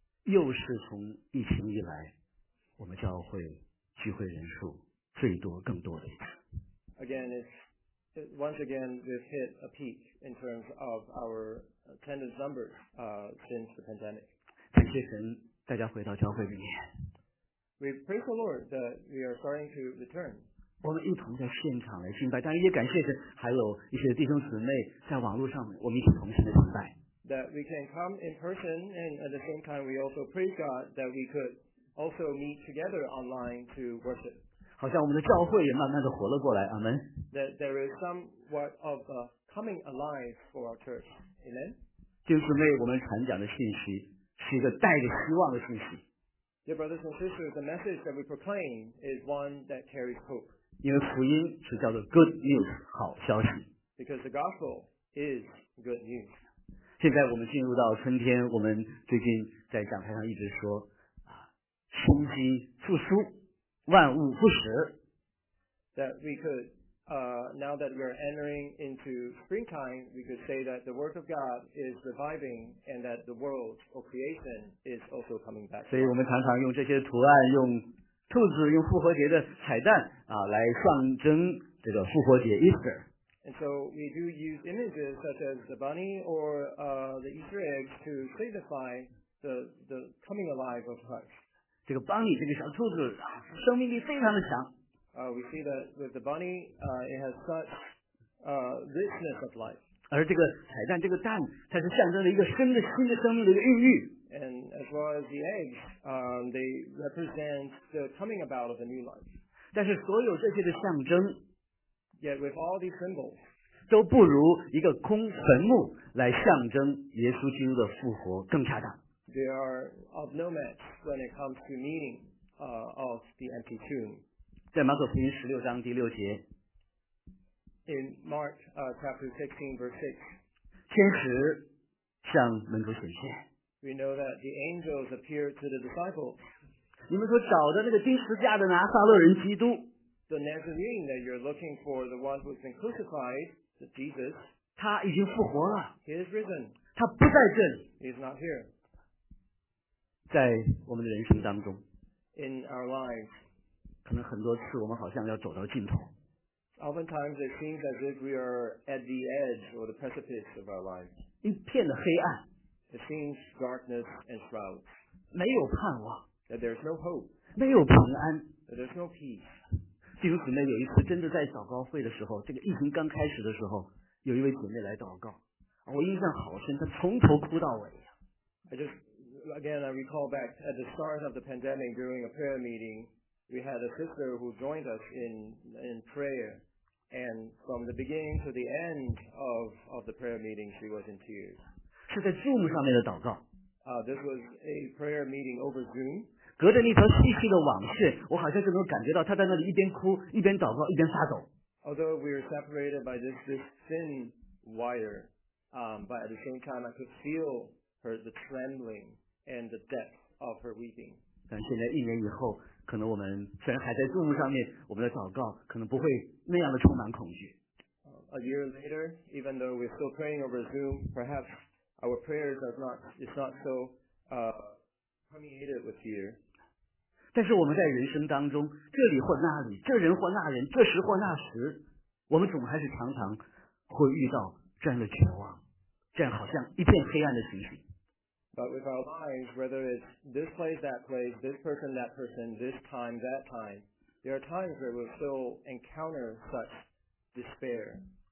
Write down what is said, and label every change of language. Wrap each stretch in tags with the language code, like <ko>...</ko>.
<zh>又是从疫情以来，我们教会聚会人数最多更多的一次。</zh> <en>Again, once again, we've hit a peak in terms of our attendance numbers, since the pandemic.</en> <zh>感谢神，大家回到教会里面。</zh> <en>We praise the Lord that we are starting to return.</en> <zh>我们一同在现场来敬拜，当然也感谢神，还有一些弟兄姊妹在网络上，我们一起同心的敬拜。</zh> <en>That we can come in person, and at the same time, we also praise God that we could also meet together online to worship.</en> <zh>好像我们的教会也慢慢的活了过来，阿门。</zh> <en>That there is somewhat of a coming alive for our church. Amen.</en> <zh>弟兄姊妹，我们传讲的信息是一个带着希望的信息。</zh> <en>Dear brothers and sisters, the message that we proclaim is one that carries hope.</en> <zh>因为福音是叫做</zh> <en>good news,</en> <zh>好消息。</zh> <en>Because the gospel is good news.</en> <zh>现在我们进入到春天，我们最近在讲台上一直说，生机复苏，万物复始。</zh> <en>That we could, now that we are entering into springtime, we could say that the work of God is reviving and that the world of creation is also coming back.</en> <zh>所以我们常常用这些图案，用兔子，用复活节的彩蛋啊，来象征这个复活节 Easter.</zh> <en>And so we do use images such as the bunny or, the Easter eggs to signify the coming alive of Christ.</en> <zh>这个 bunny 这个小兔子啊，生命力非常的强。</zh> <en>We see that with the bunny, it has such, richness of life.</en> <zh>而这个彩蛋，这个蛋，它是象征了一个新的新的生命的一个孕育。</zh> <en>And as well as the eggs, they represent the coming about of a new life.</en> <zh>但是所有这些的象征</zh> <en>，yet with all these symbols,</en> <zh>都不如一个空坟墓来象征耶稣基督的复活更恰当。</zh> <en>They are of no match when it comes to meaning, of the empty tomb.</en> <zh>在马可福音十六章第六节</zh> <en>，In Mark chapter 16 verse 6，</en> <zh>天使向门徒显现。</zh> <en>We know that the angels appear to the disciples。</en> <zh>你们所找的那个钉十字架的拿撒勒人基督</zh> <en>，The Nazarene that you're looking for, the one who's been crucified, the Jesus，</en> <zh>他已经复活了。</zh> <en>He is risen。</en> <zh>他不在这里。</zh> <en>He's not here。</en> <zh>在我们的人生当中</zh> <en>，In our lives。</en> <zh>可能很多次我们好像要走到尽头。</zh> <en>Oftentimes it seems as if we are at the edge or the precipice of our lives.</en> <zh>一片的黑暗。</zh> <en>It seems darkness and shrouds.</en> <zh>没有盼望。</zh> <en>That there's no hope.</en> <zh>没有平安。</zh> <en>That there's no peace.</en> <zh>弟兄姊妹有一次真的在祷告会的时候，这个疫情刚开始的时候，有一位姊妹来祷告，我印象好深，她从头哭到尾。</zh> <en>Again, I recall back at the start of the pandemic during a prayer meeting. We had a sister who joined us in prayer, and from the beginning to the end of the prayer meeting, she was in tears.</en> <zh>是在 Zoom 上面的祷告。</zh> <en>This was a prayer meeting over Zoom.</en> <zh>隔着那条细细的网线，我好像就能感觉到她在那里一边哭，一边祷告，一边发抖。</zh> <en>Although we were separated by this thin wire, but at the same time, I could feel her the trembling and the depth of her weeping.</en> <zh>但现在一年以后。可能我们虽然还在字幕上面，我们的祷告可能不会那样的充满恐惧。</zh> <en>A year later, even though we're still praying over Zoom, perhaps our prayers are not, it's not so, permeated with fear.</en> <zh>但是我们在人生当中，这里或那里，这人或那人，这时或那时，我们总还是常常会遇到这样的绝望，这样好像一片黑暗的情形。</zh> <en>But with our lives, whether it's this place, that person, this time, that time, there are times where we'll still encounter such despair.</en>